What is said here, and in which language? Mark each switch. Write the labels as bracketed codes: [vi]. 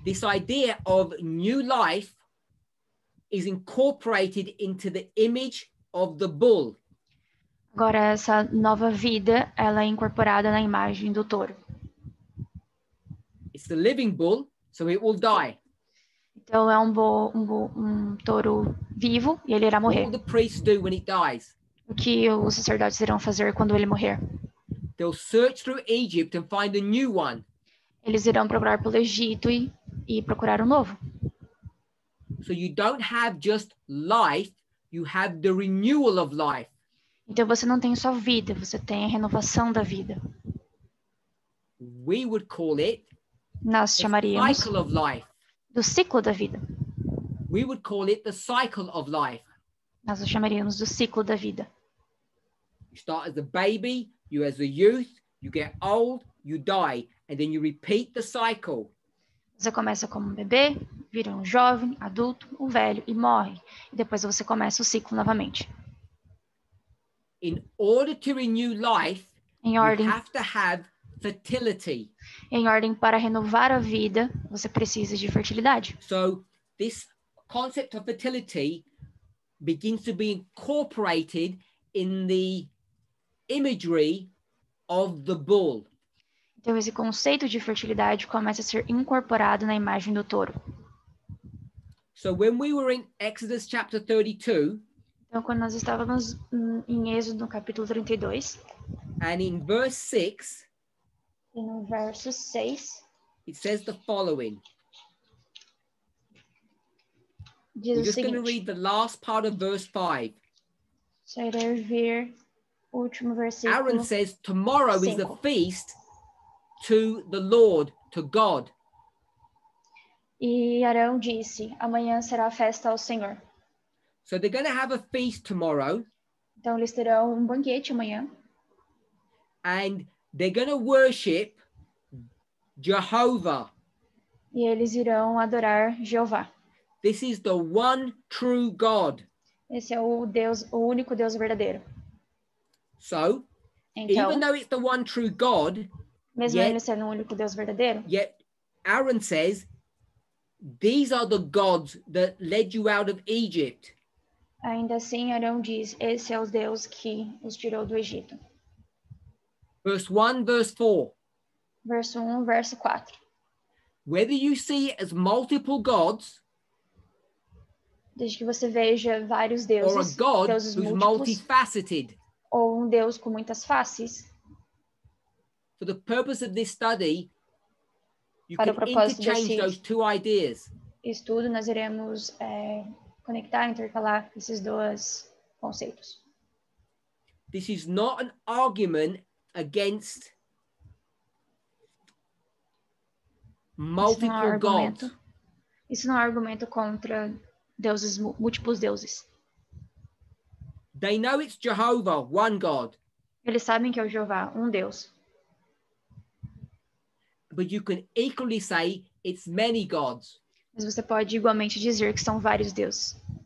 [en] This idea of new life is incorporated into the image of the bull. [pt] Agora essa nova vida, ela é incorporada na imagem do touro. [en] It's the living bull, so it will die. [pt] Então é um touro vivo e ele irá morrer. [en] What will the priests do when it dies? [pt] O que os sacerdotes irão fazer quando ele morrer? [en] They'll search through Egypt and find a new one. [pt] Eles irão procurar pelo Egito e procurar um novo. [en] So you don't have just life, you have the renewal of life. [pt] Então você não tem só vida, você tem a renovação da vida. [en] We would call it [pt] Nós chamaríamos [en] cycle of life. [pt] Do ciclo da vida. [en] We would call it the cycle of life. [pt] Nós o chamaríamos do ciclo da vida. [en] You start as a baby, you as a youth, you get old, you die, and then you repeat the cycle. [pt] Você começa como um bebê, vira um jovem, adulto, um velho e morre. E depois você começa o ciclo novamente. [en] In order to renew life, [pt] em ordem, [en] you have to have fertility. [pt] Em ordem para renovar a vida, você precisa de fertilidade. [en] So, this concept of fertility begins to be incorporated in the imagery of the bull. [pt] Então, esse conceito de fertilidade começa a ser incorporado na imagem do touro. [en] So, when we were in Exodus chapter 32, [pt] então, quando nós estávamos em Êxodo, no capítulo 32, [en] and in verse 6, [pt] no verso 6, [en] it says the following. [pt] Diz [en] We're just [pt] seguinte, [en] going to read the last part of verse 5. [pt] Só irei ver o último versículo. [en] Aaron says, tomorrow [pt] cinco. [en] Is a feast to the Lord, to God. [pt] E Arão disse, amanhã será a festa ao Senhor. [en] So they're going to have a feast tomorrow. [pt] Então eles terão um banquete amanhã. [en] And they're going to worship Jehovah. [pt] E eles irão adorar Jeová. [en] This is the one true God. [pt] Esse é o Deus, o único Deus verdadeiro. [en] So, [pt] então, [en] even though it's the one true God, [pt] Mesmo [en] yet, [pt] ele sendo o único Deus verdadeiro? [en] Yet Aaron says, these are the gods that led you out of Egypt. [pt] Ainda assim, Arão diz, esse é o Deus que os tirou do Egito. [en] Verse 1, verse 4. Whether you see it as multiple gods, [pt] desde que você veja vários deuses, [en] or a god [pt] deuses [en] who's [pt] múltiplos, [en] multifaceted, [pt] ou um Deus com muitas faces, [en] for the purpose of this study, you [pt] para [en] can interchange those two ideas. [pt] Estudo, nós iremos conectar, intercalar esses dois conceitos. [en] This is not an argument against multiple gods. [pt] Isso não é um argumento contra deuses, múltiplos deuses. [en] They know it's Jehovah, one God. [pt] Eles sabem que é o Jeová, Deus. [en] But you can equally say it's many gods. [pt] Mas você pode igualmente dizer que são vários deuses.